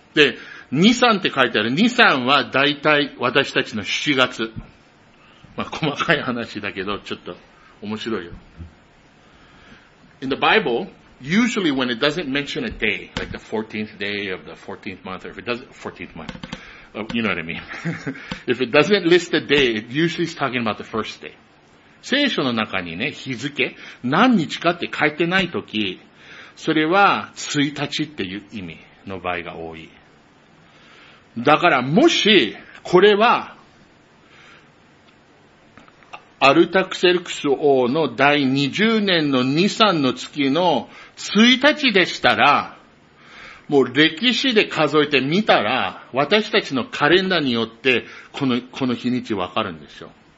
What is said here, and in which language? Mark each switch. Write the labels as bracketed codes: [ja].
[ja] で、ニサンって書いてある。ニサンは大体私たちの7月。まあ、細かい話だけど、ちょっと面白いよ。 [en] In the Bible,Usually when it doesn't mention a day, like the 14th day of the 14th month, or if it doesn't, 14th month, you know what I mean. If it doesn't list a day, it usually is talking about the first day. [ja] 聖書の中にね、日付、何日かって書いてないとき、それは1日っていう意味の場合が多い。だからもし、これは、アルタクセルクス王の第20年の2、3の月の1日でしたら、もう歴史で数えてみたら、私たちのカレンダーによって、この日にちわかるんでしょう。